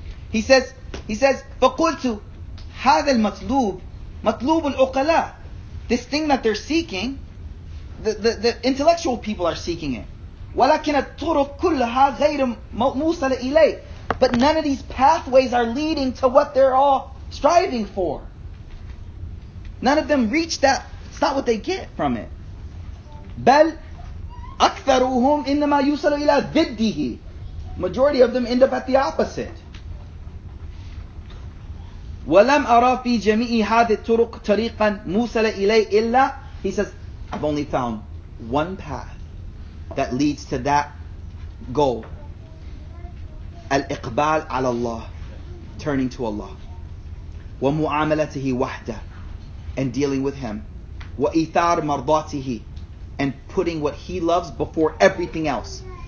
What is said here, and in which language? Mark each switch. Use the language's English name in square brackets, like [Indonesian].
[English] He says, [Arabic] Faqultu, هذا المطلوب, مطلوب العقلاء. [English] This thing that they're seeking, the intellectual people are seeking it. [Arabic] ولكن الطرق كلها غير موصلة إليه. [English] But none of these pathways are leading to what they're all striving for. None of them reach that. It's not what they get from it. [Arabic] بل أكثرهم إنما يوصل إلى ضده. [English] Majority of them end up at the opposite. [Arabic] ولم أرى في جميع هذه الطرق طريقا موصلة إليه إلا. [English] He says, I've only found one path that leads to that goal. [Arabic] Al-iqbal ala Allah, [English] turning to Allah. [Arabic] Wa mu'amalatihi wahda, [English] and dealing with Him. [Arabic] Wa ithar mardatihi, [English] and putting what He loves before everything else.